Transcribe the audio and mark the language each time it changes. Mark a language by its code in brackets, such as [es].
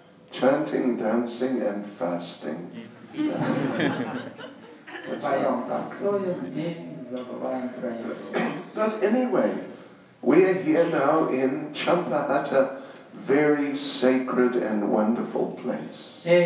[en] chanting, dancing and fasting. [ru] Поем, танцуем и забываем про еду. [en] But anyway, we are here now in Champahatta, very sacred and wonderful place.